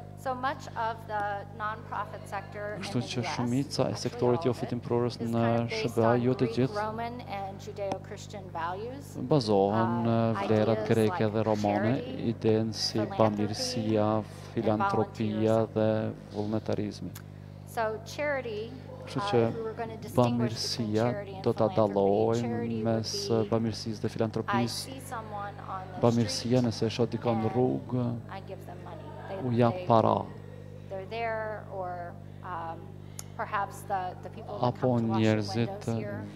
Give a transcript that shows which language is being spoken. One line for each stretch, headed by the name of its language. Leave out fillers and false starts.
English: So much of the non-profit sector in the US,
Albanian: kështu që shumica e sektorit jo fitimprorës në SBA, jo të gjithë, bazohen në vlerat greke dhe romane, idenë si bamirësia, filantropia dhe vullnetarizmi.
English: So charity,
Albanian: kështu që bamirësia do ta dallojmë mes bamirësisë dhe filantropisë. Bamirësia, nëse shoh dikon në rrugë, u jap para.
English: They're there or perhaps the people that come to watch the windows here.